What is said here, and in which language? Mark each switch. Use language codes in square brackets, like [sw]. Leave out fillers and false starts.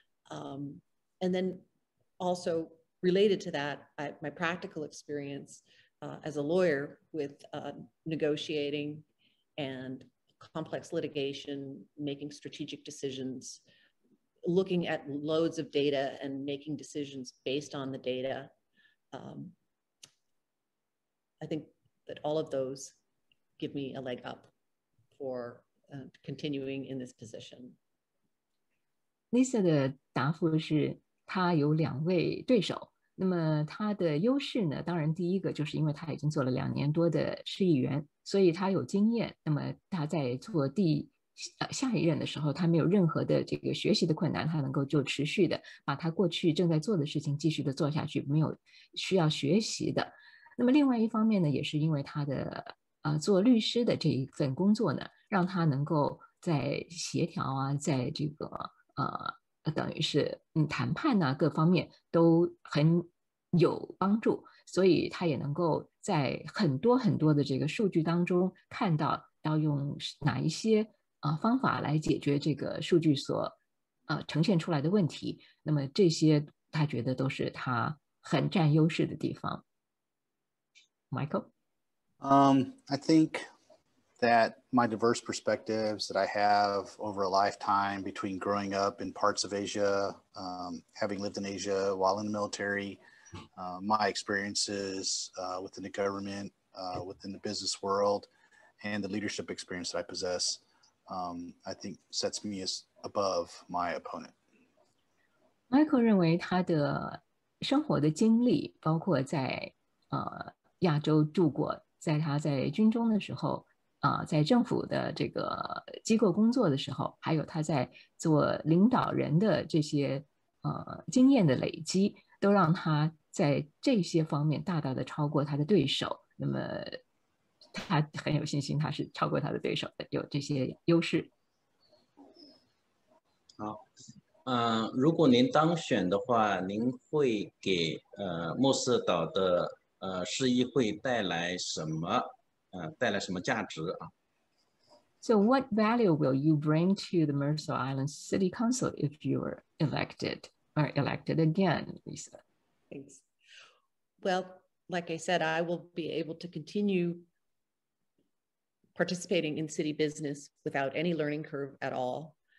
[en] And then also related to that, my practical experience as a lawyer with negotiating and complex litigation, making strategic decisions,looking at loads of data and making decisions based on the data. I think that all of those give me a leg up for continuing in this position. [zh] Lisa 的答复是她有两位对手，那么她的优势呢，当然第一个就是因为她已经做了两年多的市议员，所以她有经验，那么她在做地下一任的时候他没有任何的这个学习的困难，他能够就持续的把他过去正在做的事情继续的做下去，没有需要学习的。那么另外一方面呢，也是因为他的做律师的这一份工作呢，让他能够在协调啊，在这个等于是谈判啊各方面都很有帮助，所以他也能够在很多很多的这个数据当中看到要用哪一些方法来解决这个数据所呈现出来的问题，那么这些他觉得都是他很占优势的地方。 [en] Michael? I think that my diverse perspectives that I have over a lifetime between growing up in parts of Asia, having lived in Asia while in the military, my experiences within the government, within the business world, and the leadership experience that I possessI think sets me as above my opponent. [zh] Michael 认为他的生活的经历，包括在亚洲住过，在他在军中的时候，在政府的这个机构工作的时候，还有他在做领导人的这些经验的累积都让他在这些方面大大的超过他的对手，那么他很有信心他是超过他的对手的，有这些优势。好，如果您当选的话，您会给默瑟岛的市议会带来什么带来什么价值啊？ [en] So what value will you bring to the Mercer Island City Council if you are elected or elected again, Lisa? Thanks. Well, like I said, I will be able to continue participating in city business without any learning curve at all.